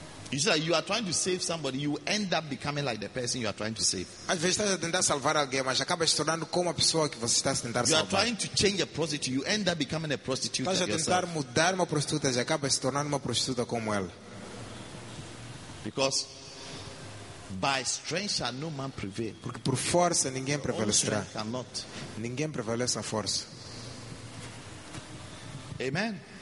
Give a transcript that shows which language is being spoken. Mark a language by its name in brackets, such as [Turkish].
[English] You say you are trying to save somebody, you end up becoming like the person you are trying to save. [Portuguese] Às vezes estás a tentar salvar alguém, mas acaba se tornando como a pessoa que você está a tentar salvar. [English] You are trying to change a prostitute, you end up becoming a prostitute. [Portuguese] Estás a tentar mudar uma prostituta e acaba se tornando uma prostituta como ela. [English] Because by strength shall no man prevail. [Portuguese] Porque por força ninguém prevalecerá. [English] Only strength cannot. [Portuguese] Ninguém prevalece a força. [English] Amen.